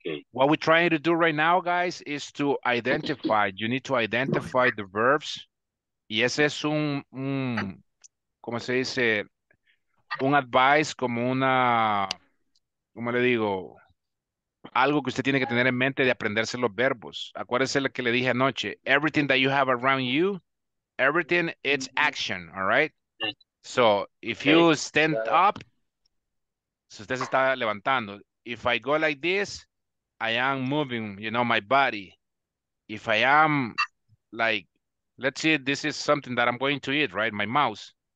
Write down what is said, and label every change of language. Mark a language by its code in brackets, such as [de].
[en] What we're trying to do right now, guys, is to identify. You need to identify the verbs. [es] Y ese es un advice, como una, ¿cómo le digo? Algo que usted tiene que tener en mente de aprenderse los verbos. Acuérdese lo que le dije anoche. [en] Everything that you have around you, everything, it's action, all right? So, if you stand up, [es] si usted se está levantando, [en] if I go like this, I am moving, you know, my body. If I am, like, let's see, this is something that I'm going to eat, right? My mouse.